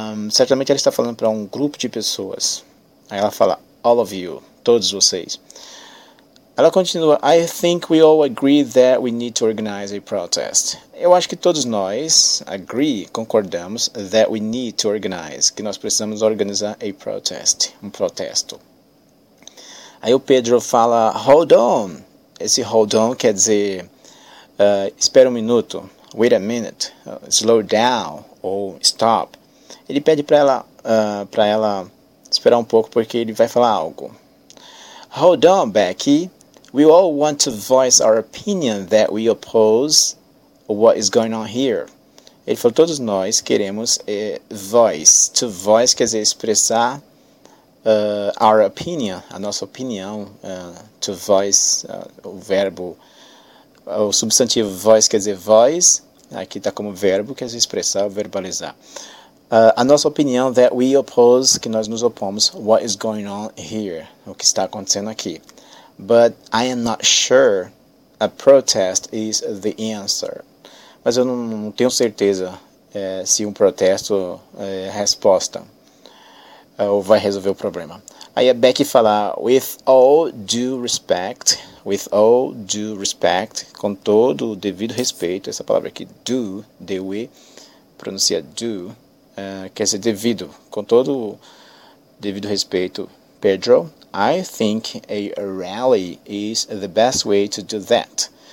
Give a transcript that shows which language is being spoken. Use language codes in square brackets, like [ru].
[pt] Certamente ela está falando para um grupo de pessoas. Aí ela fala, [en] all of you, [pt] todos vocês. Ela continua, [en] I think we all agree that we need to organize a protest. [pt] Eu acho que todos nós concordamos [en] that we need to organize, [pt] que nós precisamos organizar a [en] protest, [pt] protesto. Aí o Pedro fala, [en] hold on. [pt] Esse [en] hold on [pt] quer dizer, espera minuto, [en] wait a minute, slow down, [pt] ou stop. Ele pede para ela, ela esperar pouco porque ele vai falar algo. [en] Hold on, Becky. We all want to voice our opinion that we oppose what is going on here. [pt] Ele falou, todos nós queremos voice. [en] To voice [pt] quer dizer expressar [en] our opinion, [pt] a nossa opinião. [en] To voice, [pt] o verbo, o substantivo voice quer dizer voice. Aqui está como verbo, quer dizer expressar, verbalizar. A nossa opinião [en] that we oppose, [pt] que nós nos opomos, [en] what is going on here, [pt] o que está acontecendo aqui. [en] But I am not sure a protest is the answer. [pt] Mas eu não tenho certeza se protesto é a resposta ou vai resolver o problema. Aí a Becky fala, [en] with all due respect, [pt] com todo o devido respeito, essa palavra aqui, do, D-U-E, pronuncia do, quer dizer devido, com todo o devido respeito, Pedro, [en] I think a rally is the best way to do that.